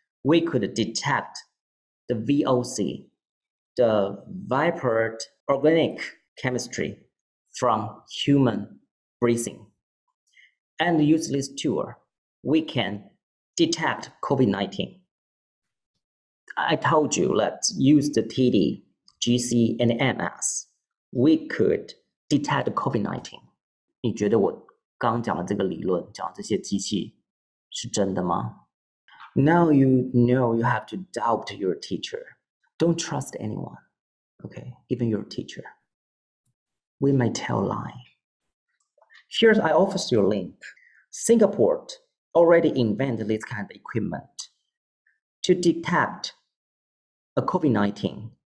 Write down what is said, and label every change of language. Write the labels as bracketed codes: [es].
[en] We could detect the VOC, the vibrant organic chemistry from human breathing. And use this tool, we can detect COVID-19. I told you, let's use the TD, GC, and MS. We could detect COVID-19. [zh] 你觉得我刚讲的这个理论，讲这些机器是真的吗？ [en] Now you know you have to doubt your teacher. Don't trust anyone, okay? Even your teacher. We might tell a lie. Here's, I offer you a link. Singapore already invented this kind of equipment to detect a COVID-19.